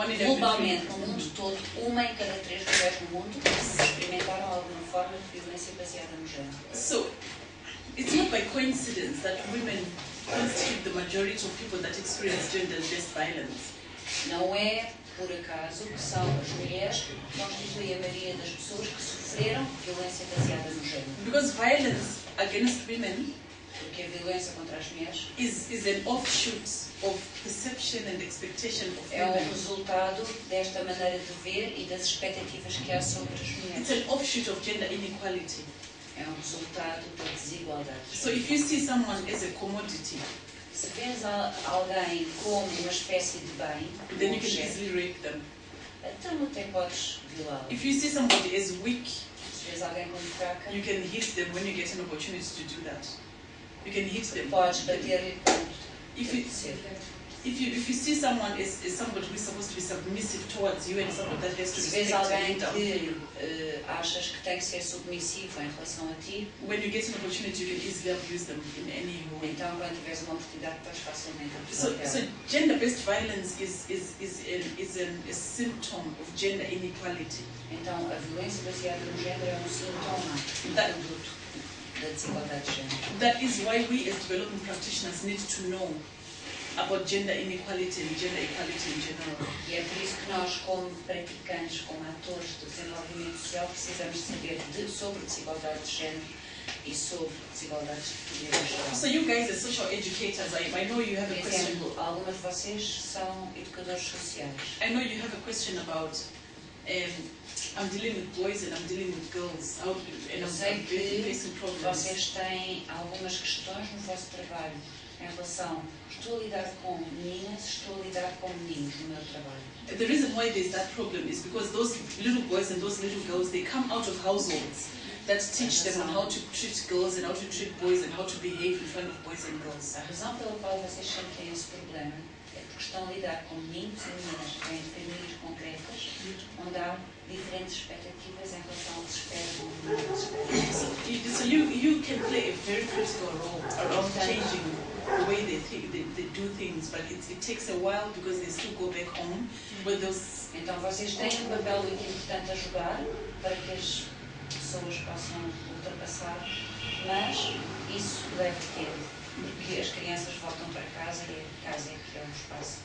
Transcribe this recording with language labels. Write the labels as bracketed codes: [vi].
[pt] Globalmente, no mundo todo, uma em cada três mulheres no mundo experimentaram alguma forma de violência baseada no género. [en] So, it's not by coincidence that women constitute the majority of people that experience gender-based violence. [pt] Não é por acaso que são as mulheres que constituem a maioria das pessoas que sofreram violência baseada no género. [en] Because violence against women, [pt] porque a violência contra as mulheres [en] is an offshoot of perception and expectation of [pt] é um resultado desta maneira de ver e das expectativas que há sobre as mulheres. [en] It's an offshoot of gender inequality. [pt] É um resultado da desigualdade. [en] So if you see someone as a commodity, [pt] se vês alguém como uma espécie de bem, [en] then you can easily rape them. [pt] Então até podes violá-lo. [en] If you see somebody as weak, [pt] se vês alguém como fraca, [en] you can hit them when you get an opportunity to do that. You can hit them. [pt] Podes bater-lhe quando [en] if you see someone as somebody who is supposed to be submissive towards you and somebody that has to [pt] se [en] respect [pt] alguém [en] you, [pt] que, achas que tem que ser submissivo em relação a ti, [en] when you get an opportunity, you can easily abuse them in any way. [pt] Então, quando tiveres uma oportunidade, podes facilmente abusar. [en] So gender-based violence is a symptom of gender inequality. [pt] Então, a violência baseada no género é um sintoma da desigualdade de género. [en] That is why we as development practitioners need to know about gender inequality and gender equality in general. [pt] E é por isso que nós, como praticantes, como atores do desenvolvimento social, precisamos saber sobre desigualdade de género e sobre desigualdade de género. [en] So you guys are social educators, I know you have a question. [pt] Exemplo, algumas de vocês são educadores sociais. [en] I know you have a question about I'm dealing with boys and I'm dealing with girls. [pt] Vocês têm algumas questões no vosso trabalho em relação, estou a lidar com meninas, estou a lidar com meninos no meu trabalho. [en] The reason why there's that problem is because those little boys and those little girls, they come out of households that teach them on how to treat girls and how to treat boys and how to behave in front of boys and girls. [pt] A razão pela qual vocês têm esse problema é porque estão a lidar com meninos e meninas em famílias concretas, onde há diferentes expectativas em relação ao desespero. [en] So you can play a very critical role around changing the way they do things, but it takes a while because they still go back home with those. [pt] Então vocês têm um papel muito importante a jogar para que as pessoas possam ultrapassar, mas isso deve ter. Porque as crianças voltam para casa e a casa é que é um espaço.